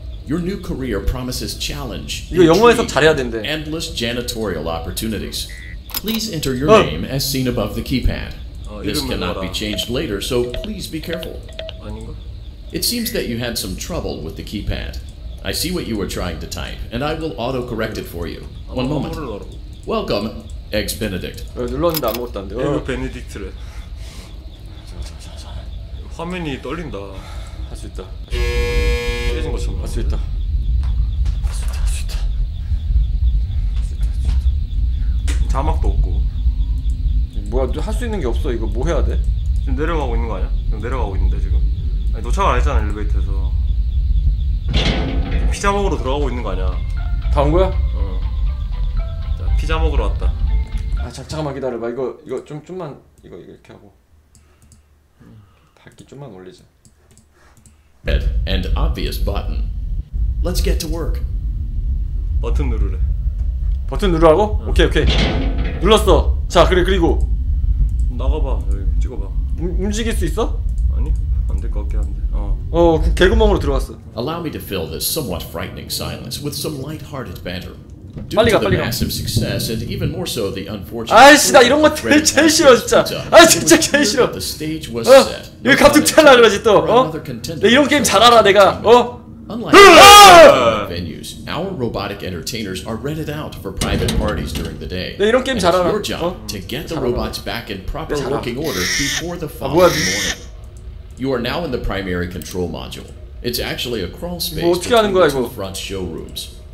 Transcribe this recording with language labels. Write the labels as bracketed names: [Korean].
[English] Your new career promises challenge, intrigue, endless janitorial opportunities. Please enter your name as seen above the keypad. This cannot be changed later, so please be careful. It seems that you had some trouble with the keypad. I see what you were trying to type, and I will auto-correct it for you. One moment. Welcome, Eggs Benedict. [Korean] 눌렀는데 아무것도 안 돼. Eggs Benedict래. 화면이 떨린다. 할 수 있다. 깨진 것처럼. 할 수 있다. 할 수 있다. 할 수 있다. 자막도 없고. 뭐야, 할 수 있는 게 없어. 이거 뭐 해야 돼? 지금 내려가고 있는 거 아니야? 지금 내려가고 있는데 지금. 아니, 도착을 안 했잖아 엘리베이터에서. 피자 먹으러 들어가고 있는 거 아니야? 다 온 거야? 어. 자, 피자 먹으러 왔다. 아 잠깐만 기다려봐. 이거 좀만 이거 이렇게 하고. 밝기 좀만 올리자. [English] And obvious button. Let's get to work. [Korean] 버튼 누르래. 버튼 누르라고? 어. 오케이. 눌렀어. 자 그래 그리고. 나가봐 여기 찍어봐. 움직일 수 있어? 아니. 안 될 것 같긴 한데. 개구멍으로 들어왔어. [English] Allow me to fill this somewhat frightening silence with some light-hearted banter. [Korean] 빨리 가, 빨리 가. [English] Massive success and even more so the unfortunate. [Korean] 아이씨 나 이런 거 제일 싫어 진짜. 아 진짜 제일 싫어. 어? 여기 감독 찰나 그러지 또. 어? 나 이런 게임 잘 알아 내가. 어? [English] Venues. Our robotic entertainers are rented out for private parties during the day. [Korean] 네, 이런 게임 잘 알아. [English] Your job to get the robots back in proper working order before the following morning. You are now in the primary control module. It's actually a crawl space between two front showrooms.